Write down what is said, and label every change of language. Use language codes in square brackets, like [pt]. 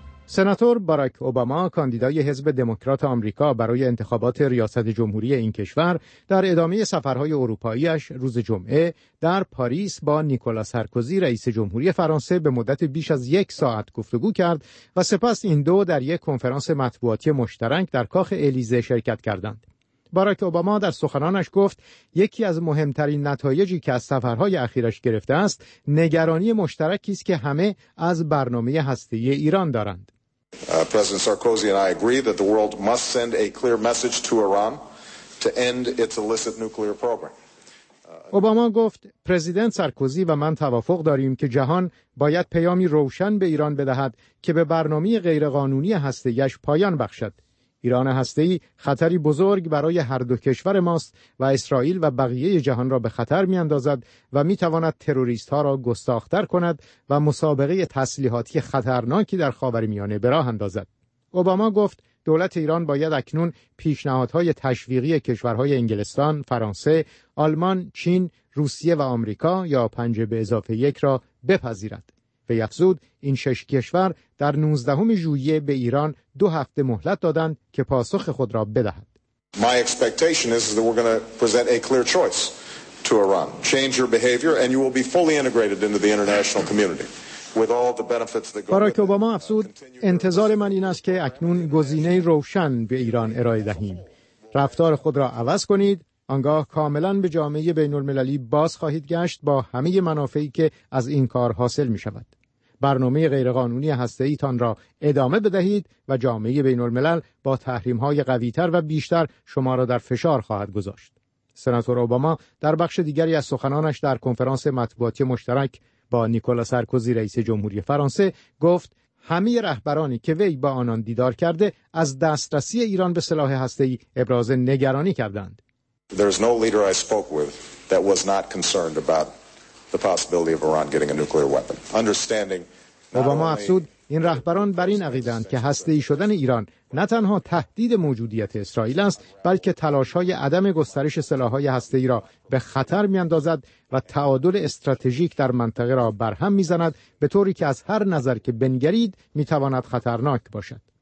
[fa] سناتور باراک اوباما، کاندیدای حزب دموکرات آمریکا برای انتخابات ریاست جمهوری این کشور، در ادامه سفرهای اروپاییش روز جمعه در پاریس با نیکولا سرکوزی رئیس جمهوری فرانسه به مدت بیش از یک ساعت گفتگو کرد و سپس این دو در یک کنفرانس مطبوعاتی مشترک در کاخ الیزه شرکت کردند. باراک اوباما در سخنانش گفت یکی از مهمترین نتایجی که از سفرهای اخیرش گرفته است نگرانی مشترکی است که همه از برنامه هسته‌ای ایران دارند. [en] President Sarkozy and I agree that the world must send a clear message to Iran to end its illicit nuclear program. [fa] اوباما گفت پرزیدنت سرکوزی و من توافق داریم که جهان باید پیامی روشن به ایران بدهد که به برنامه غیرقانونی هسته‌ایش پایان بخشد. ایران هسته‌ای خطری بزرگ برای هر دو کشور ماست و اسرائیل و بقیه جهان را به خطر می‌اندازد و می‌تواند تروریست‌ها را گستاخ‌تر کند و مسابقه تسلیحاتی خطرناکی در خاورمیانه به راه اندازد. اوباما گفت دولت ایران باید اکنون پیشنهادهای تشویقی کشورهای انگلستان، فرانسه، آلمان، چین، روسیه و آمریکا یا 5 به اضافه 1 را بپذیرد. به یفزود این 6 کشور در 19 ژوئیه به ایران 2 هفته مهلت دادند که پاسخ خود را بدهد. [en] My expectation is that we're going to present a clear choice to Iran. Change your behavior and you will be fully integrated into the international community with all the benefits that go. [fa] باراک اوباما افزود انتظار من این است که اکنون گزینه روشن به ایران ارائه دهیم. رفتار خود را عوض کنید، آنگاه کاملا به جامعه بین المللی باز خواهید گشت با همه منافعی که از این کار حاصل می شود. برنامه غیرقانونی هسته‌ای تان را ادامه بدهید و جامعه بین الملل با تحریم های قوی تر و بیشتر شما را در فشار خواهد گذاشت. سناتور اوباما در بخش دیگری از سخنانش در کنفرانس مطبوعاتی مشترک با نیکولا سرکوزی رئیس جمهوری فرانسه گفت همه رهبرانی که وی با آنان دیدار کرده از دسترسی ایران به سلاح هسته‌ای ابراز نگرانی کردند. [en] There is no leader I spoke with that was not concerned about the possibility of Iran getting a nuclear weapon. Understanding. [fa] اوباما افزود این رهبران بر این عقیده‌اند که هسته‌ای شدن ایران نه تنها تهدید موجودیت اسرائیل است، بلکه تلاش‌های عدم گسترش سلاح‌های هسته‌ای را به خطر می‌اندازد و تعادل استراتژیک در منطقه را برهم می‌زند، به طوری که از هر نظر که بنگرید می‌تواند خطرناک باشد.